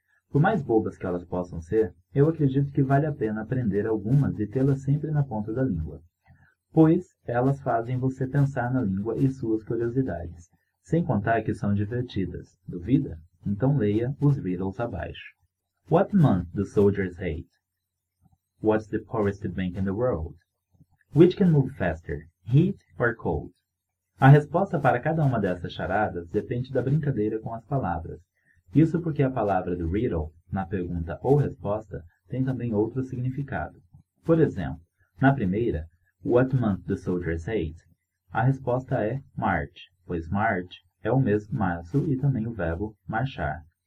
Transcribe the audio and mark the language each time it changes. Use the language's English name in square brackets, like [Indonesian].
[Portuguese] Por mais bobas que elas possam ser, eu acredito que vale a pena aprender algumas e tê-las sempre na ponta da língua, pois elas fazem você pensar na língua e suas curiosidades, sem contar que são divertidas. Duvida? Então leia os riddles abaixo. [English] What month do soldiers hate? What's the poorest bank in the world? Which can move faster, heat or cold? [Portuguese] A resposta para cada uma dessas charadas depende da brincadeira com as palavras. Isso porque a palavra do riddle, na pergunta ou resposta, tem também outro significado. Por exemplo, na primeira, [English] What month do soldiers hate? [Portuguese] A resposta é March, pois March é o mês março e também o verbo marchar.